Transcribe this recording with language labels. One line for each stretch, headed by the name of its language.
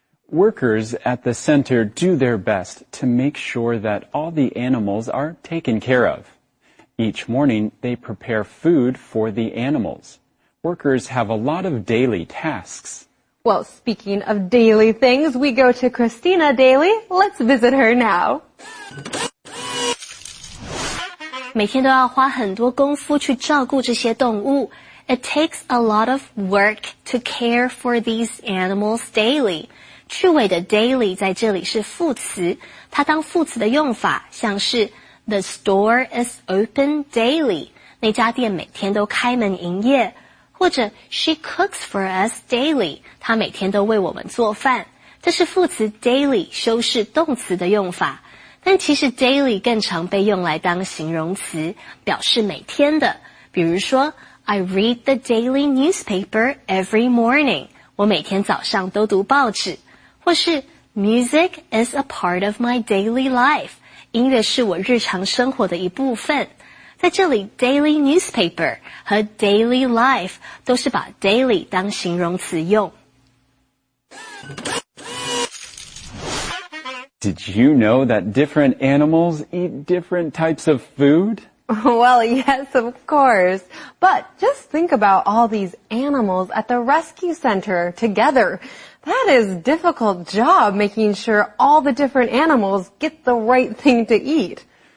English: Workers at the center do their best to make sure that all the animals are taken care of. Each morning, they prepare food for the animals. Workers have a lot of daily tasks. Well, speaking of daily things, we go to Christina Daly. Let's visit her now.
Chinese: 每天都要花很多功夫去照顾这些动物。
English: It takes a lot of work to care for these animals daily.
Chinese: 去尾的 daily 在这里是副词，它当副词的用法像是
English: The store is open daily.
Chinese: 那家店每天都开门营业。
English: 或者 She cooks for us daily.
Chinese: 她每天都为我们做饭。这是副词 daily 修饰动词的用法。但其实 daily 更常被用来当形容词，表示每天的。比如说
English: ,I read the daily newspaper every morning.
Chinese: 我每天早上都读报纸。或是
English: ,music is a part of my daily life.
Chinese: 音乐是我日常生活的一部分。在这里 ,daily newspaper 和 daily life 都是把 daily 当形容词用。
English: Did you know that different animals eat different types of food? Well, yes, of course. But just think about all these animals at the rescue center together. That is a difficult job making sure all the different animals get the right thing to eat.